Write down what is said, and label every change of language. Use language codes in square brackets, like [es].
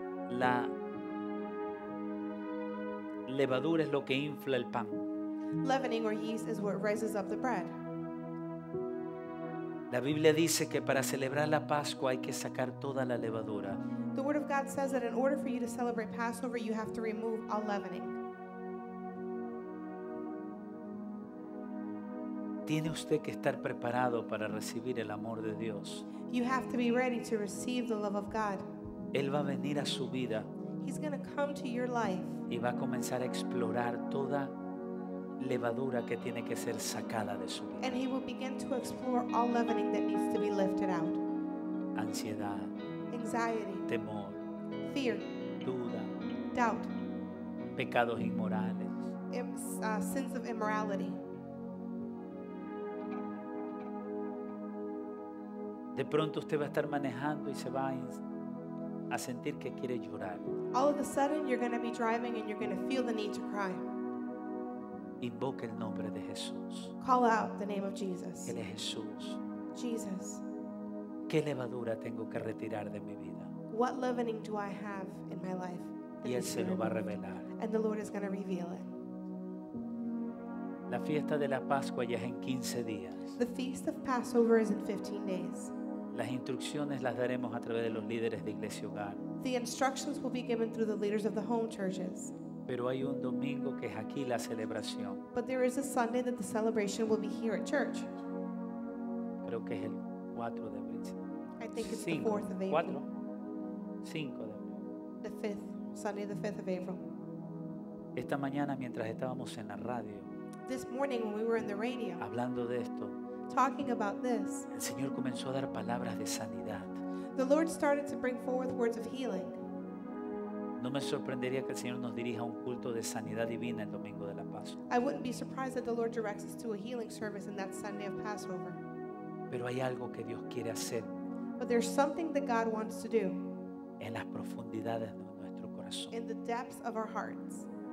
[es] La levadura es lo que infla el pan. [en] Leavening or yeast is what raises up the bread. [es] La Biblia dice que para celebrar la Pascua hay que sacar toda la levadura. [en] The Word of God says that in order for you to celebrate Passover, you have to remove all leavening. [es] Tiene usted que estar preparado para recibir el amor de Dios. [en] You have to be ready to receive the love of God. [es] Él va a venir a su vida. [en] He's going to come to your life. [es] Y va a comenzar a explorar toda levadura que tiene que ser sacada de su vida. [en] And he will begin to explore all leavening that needs to be lifted out. [es] Ansiedad. [en] Anxiety. [es] Temor. [en] Fear. [es] Duda. [en] Doubt. [es] Pecados inmorales. [en] Sins of immorality. [es] De pronto usted va a estar manejando y se va a sentir que quiere llorar. [en] All of a sudden you're going to be driving and you're going to feel the need to cry. [es] Invoque el nombre de Jesús. [en] Call out the name of Jesus. [es] Él es Jesús. [en] Jesus. [es] ¿Qué levadura tengo que retirar de mi vida? [en] What leavening do I have in my life? [es] Y Él se lo va a revelar. [en] And the Lord is going to reveal it. [es] La fiesta de la Pascua ya es en 15 días. [en] The feast of Passover is in 15 days. [es] Las instrucciones las daremos a través de los líderes de Iglesia Hogar. [en] The instructions will be given through the leaders of the home churches. [es] Pero hay un domingo que es aquí la celebración. [en] But there is a Sunday that the celebration will be here at church. [es] Creo que es el 4 de abril. [en] I think [es] cinco. [en] It's the 4th of April. [es] 4. 5 de abril. [en] The 5th, Sunday the 5th of April. [es] Esta mañana mientras estábamos en la radio. [en] This morning when we were in the radio. [es] Hablando de esto. [en] Talking about this. [es] El Señor comenzó a dar palabras de sanidad. [en] The Lord started to bring forth words of healing. [es] No me sorprendería que el Señor nos dirija a un culto de sanidad divina el domingo de la Pascua. [en] I wouldn't be surprised that the Lord directs us to a healing service in that Sunday of Passover. [es] Pero hay algo que Dios quiere hacer. [en] But there's something that God wants to do. [es] En las profundidades de nuestro corazón. [en] In the depths of our hearts.